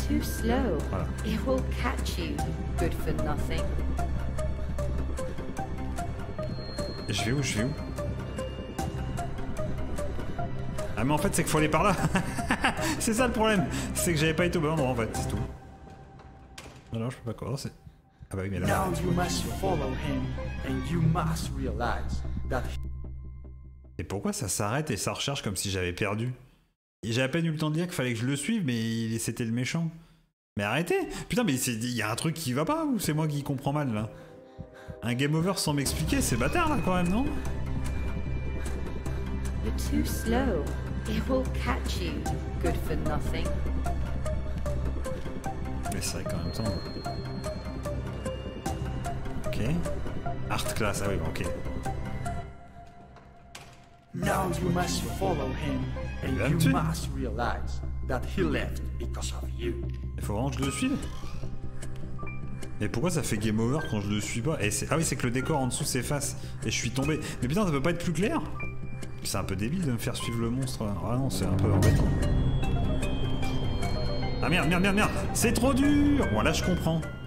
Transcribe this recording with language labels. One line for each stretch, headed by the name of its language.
English: Too slow.
French: Voilà.
English: It will catch you. Good for nothing.
French: Je vais où? Je vais où? Ah mais en fait c'est qu'il faut aller par là. C'est ça le problème. C'est que j'avais pas été au bon endroit en fait, c'est tout. Non, je peux pas commencer. Ah bah oui mais là.
English: Now you must follow him and you must realize that he...
French: Et pourquoi ça s'arrête et ça recharge comme si j'avais perdu? Et j'ai à peine eu le temps de dire qu'il fallait que je le suive, mais c'était le méchant. Mais arrêtez! Putain mais il y a un truc qui va pas ou c'est moi qui comprends mal là? Un game over sans m'expliquer, c'est bâtard là quand même, non?
English: You're too slow. It will catch you. Good for nothing.
French: Mais c'est vrai qu'en même temps. Ok. Art class, ah oui, ok.
English: Now you must follow him and you must realize that he left because of you.
French: Il faut vraiment que je le suive? Mais pourquoi ça fait game over quand je le suis pas? Et c'est... Ah oui, c'est que le décor en dessous s'efface et je suis tombé. Mais putain, ça peut pas être plus clair? C'est un peu débile de me faire suivre le monstre. Ah non, c'est un peu embêtant. Ah merde, c'est trop dur! Bon, là je comprends.